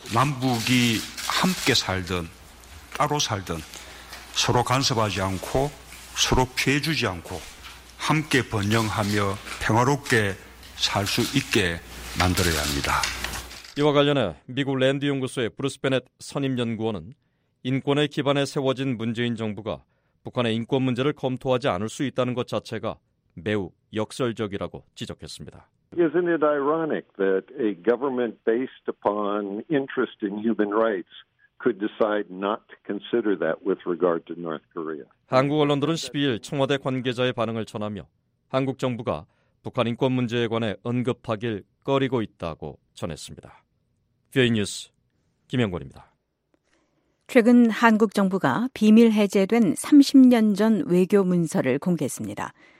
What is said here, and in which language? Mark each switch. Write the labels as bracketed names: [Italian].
[Korean] 남북이 함께 살든 따로 살든 서로 간섭하지 않고 서로 피해주지 않고 함께 번영하며 평화롭게 살 수 있게 만들어야 합니다. 이와 관련해 미국 랜드연구소의 브루스 베넷 선임연구원은 인권의 기반에 세워진 문재인 정부가 북한의 인권 문제를 검토하지 않을 수 있다는 것 자체가 매우 역설적이라고 지적했습니다. [English] Isn't it ironic that a government based upon interest in human rights could decide not to consider that with regard to North Korea? [Korean] 한국 언론들은 12일 청와대 관계자의 반응을 전하며 한국 정부가 북한 인권 문제에 관해 언급하길 꺼리고 있다고 전했습니다. VOA 뉴스 김영권입니다. 최근 한국 정부가 비밀 해제된 30년 전 외교 문서를 공개했습니다.